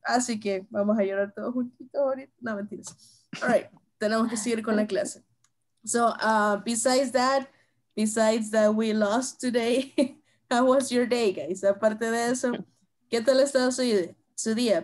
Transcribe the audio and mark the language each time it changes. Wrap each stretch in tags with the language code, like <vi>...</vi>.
<es>Así que vamos a llorar todos juntitos ahorita. No, mentiras.</es> <en>All right,</en> <es>tenemos que seguir con la clase.</es> <en>So, besides that we lost today, how was your day, guys?</en> <es>Aparte de eso, ¿qué tal ha estado su día?</es>